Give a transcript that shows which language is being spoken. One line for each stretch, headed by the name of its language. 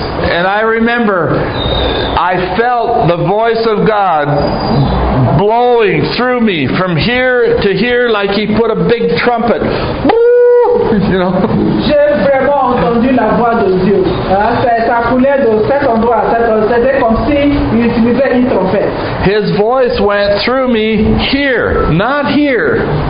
English: And I remember, I felt the voice of God blowing through me from here to here like He put a big trumpet. Woo! You know?
French: J'ai vraiment entendu la voix de Dieu. Ça coulait de cet endroit à cet endroit. C'était comme si il utilisait une trompette.
English: His voice went through me here, not here.